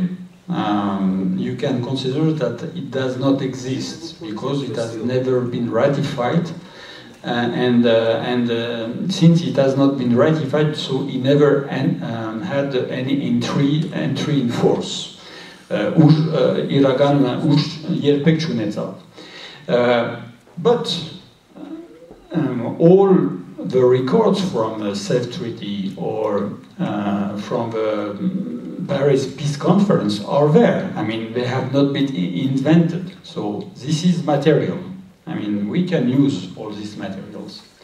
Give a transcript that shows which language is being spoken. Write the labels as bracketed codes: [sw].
[en] You can consider that it does not exist because it has never been ratified. And since it has not been ratified, so it never had any entry in force. [hy] Իրական ուժ երբեք չունեցավ. [en] But all the records from the CEF treaty or from the Paris Peace Conference are there. I mean, they have not been invented. So this is material. I mean, we can use all these materials.